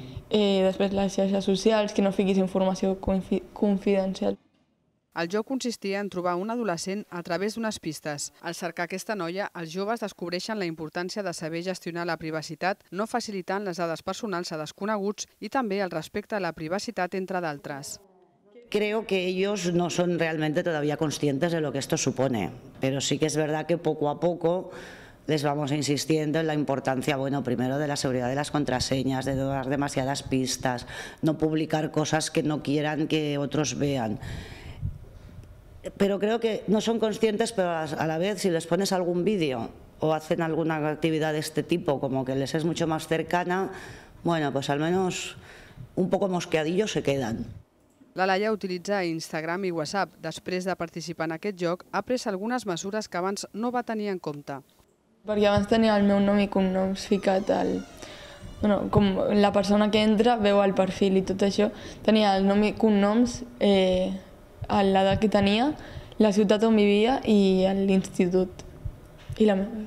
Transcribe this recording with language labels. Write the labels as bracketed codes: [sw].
[ca] Després, les xarxes socials, que no fiquis informació confidencial. El joc consistia en trobar un adolescent a través d'unes pistes. Al cercar aquesta noia, els joves descobreixen la importància de saber gestionar la privacitat, no facilitant les dades personals a desconeguts i també el respecte a la privacitat, entre d'altres. [es] Creo que ellos no son realmente todavía conscientes de lo que esto supone, pero sí que es verdad que poco a poco les vamos insistiendo en la importancia, bueno, primero de la seguridad de las contraseñas, de no dar demasiadas pistas, no publicar cosas que no quieran que otros vean. Pero creo que no son conscientes, pero a la vez si les pones algún vídeo o hacen alguna actividad de este tipo, como que les es mucho más cercana, bueno, pues al menos un poco mosqueadillos se quedan. [ca] La Laia utilitza Instagram i WhatsApp. Després de participar en aquest joc, ha pres algunes mesures que abans no va tenir en compte. Perquè abans tenia el meu nom i cognoms ficat al... Bueno, com la persona que entra veu el perfil i tot això, tenia el nom i cognoms, l'edat que tenia, la ciutat on vivia i l'institut. I la...